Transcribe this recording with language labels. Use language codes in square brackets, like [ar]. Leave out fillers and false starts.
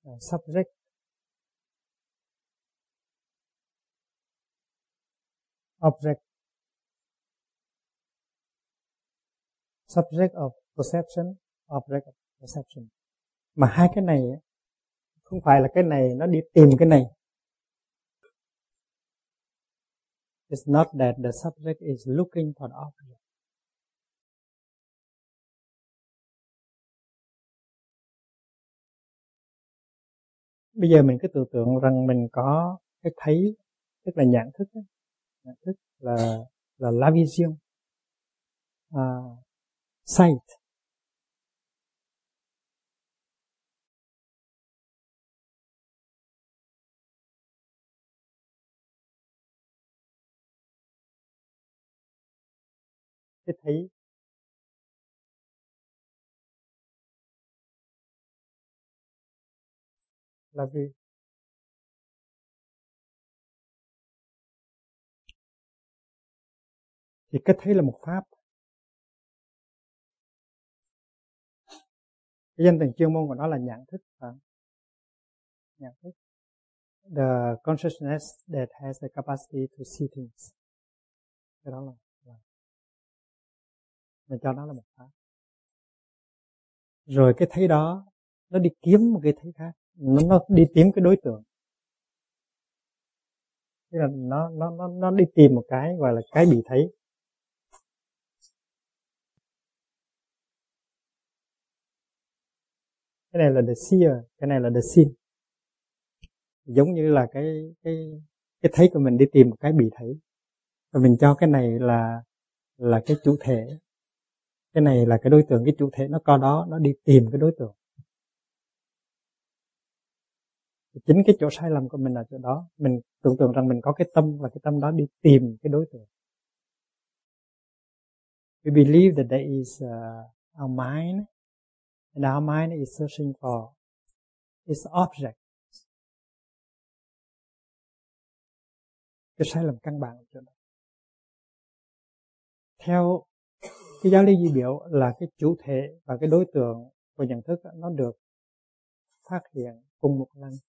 [en] Subject object subject of perception object of perception, [vi] mà hai cái này không phải là cái này nó đi tìm cái này. [en] It's not that the subject is looking for the object. [vi] Bây giờ mình cứ tưởng tượng rằng mình có cái thấy, tức là nhận thức ấy. Nhận thức là la vision, sight. Cái thấy là gì? Thì cái thấy là một pháp. Cái danh từ chuyên môn của nó là nhận thức, phải? Nhận thức. [en] The consciousness that has the capacity to see things. [vi] Cái đó là mình cho nó là một pháp. Rồi cái thấy đó nó đi kiếm một cái thấy khác. Nó đi tìm cái đối tượng, tức là nó đi tìm một cái gọi là cái bị thấy. Cái này là the seer, cái này là the seen, giống như là cái thấy của mình đi tìm một cái bị thấy, và mình cho cái này là cái chủ thể, cái này là cái đối tượng, cái chủ thể nó có đó, nó đi tìm cái đối tượng. Chính cái chỗ sai lầm của mình là chỗ đó. Mình tưởng tượng rằng mình có cái tâm và cái tâm đó đi tìm cái đối tượng. [en] We believe that there is our mind, and our mind is searching for its object. [vi] Cái sai lầm căn bản ở chỗ đó. Theo cái giáo lý di biểu là cái chủ thể và cái đối tượng của nhận thức nó được phát hiện cùng một lần.